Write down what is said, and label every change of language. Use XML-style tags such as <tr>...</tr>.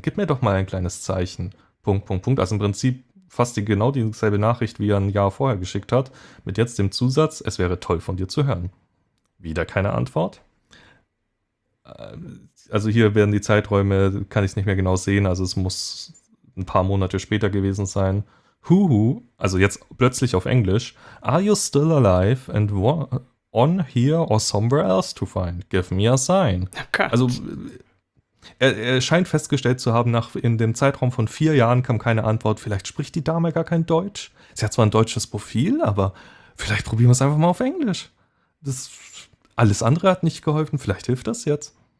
<de>Gib mir doch mal ein kleines Zeichen. Punkt, Punkt, Punkt. Also im Prinzip fast genau dieselbe Nachricht, wie er ein Jahr vorher geschickt hat, mit jetzt dem Zusatz, es wäre toll von dir zu hören. Wieder keine Antwort. Also hier werden die Zeiträume, kann ich es nicht mehr genau sehen, also es muss ein paar Monate später gewesen sein. Huhu, also jetzt plötzlich auf Englisch.</de> <en>Are you still alive and on here or somewhere else to find? Give me a sign.</en> <de>Gott. Also er scheint festgestellt zu haben, nach in dem Zeitraum von 4 Jahren kam keine Antwort. Vielleicht spricht die Dame gar kein Deutsch. Sie hat zwar ein deutsches Profil, aber vielleicht probieren wir es einfach mal auf Englisch. Das alles andere hat nicht geholfen. Vielleicht hilft das jetzt.</de>